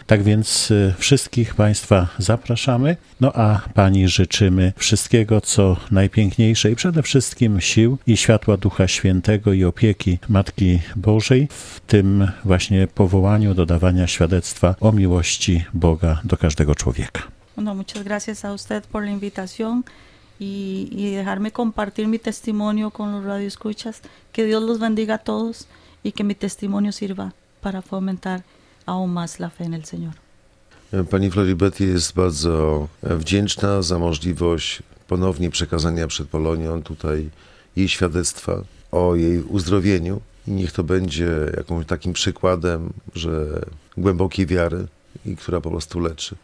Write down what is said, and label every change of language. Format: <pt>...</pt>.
<pl>Tak więc wszystkich Państwa zapraszamy, no a Pani życzymy wszystkiego, co najpiękniejsze i przede wszystkim sił i światła Ducha Świętego i opieki Matki Bożej w tym właśnie powołaniu do dawania świadectwa o miłości Boga do każdego człowieka.</pl> <es>No, muchas gracias a usted por la invitación y dejarme compartir mi testimonio con los radioescuchas. Que Dios los bendiga a todos y que mi testimonio sirva para fomentar aún más la fe en el Señor.</es> <pl>Pani Floribert jest bardzo wdzięczna za możliwość ponownie przekazania przed Polonią tutaj jej świadectwa o jej uzdrowieniu i niech to będzie jakąś takim przykładem, że głębokiej wiary i która po prostu leczy.</pl>